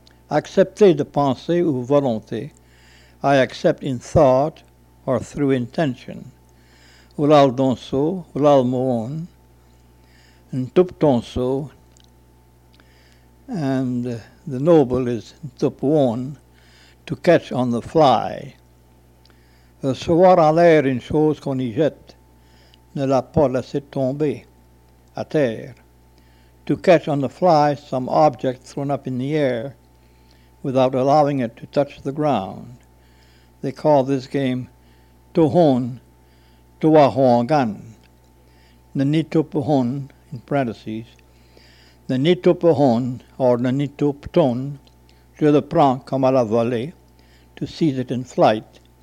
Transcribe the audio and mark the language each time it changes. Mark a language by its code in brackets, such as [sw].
[fr] Accepter de pensée ou volonté, [en] I accept in thought or through intention. Ulal donso, ulal moon, ntuptonso, and the noble is ntupwon, to catch on the fly. [fr] Recevoir en l'air une chose qu'on y jette, ne l'a pas laissé tomber. À terre, [en] to catch on the fly some object thrown up in the air without allowing it to touch the ground. They call this game tohon, toahongan. [fr] Nanitopohon, in parentheses, nanitopohon, or nanitopton, je le prends comme à la volée, [en] to seize it in flight.